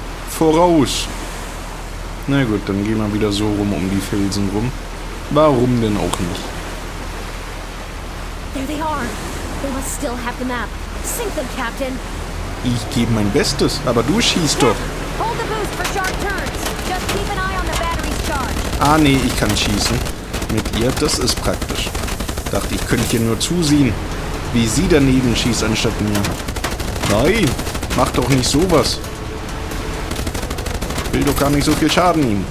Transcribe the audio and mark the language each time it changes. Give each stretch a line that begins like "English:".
German: Voraus. Na gut, dann gehen wir wieder so rum um die Felsen rum. Warum denn auch nicht?
English: There they are. They must still have the map. Sink them, Captain. Ich gebe mein Bestes, aber du schießt doch. Hold the boost for sharp turns. Just keep an eye on the battery's charge.
German: Ah nee, ich kann schießen. Mit ihr, das ist praktisch. Dachte, ich könnte hier nur zusehen, wie sie daneben schießt anstatt mir. Nein, mach doch nicht sowas. Will doch gar nicht so viel Schaden nehmen.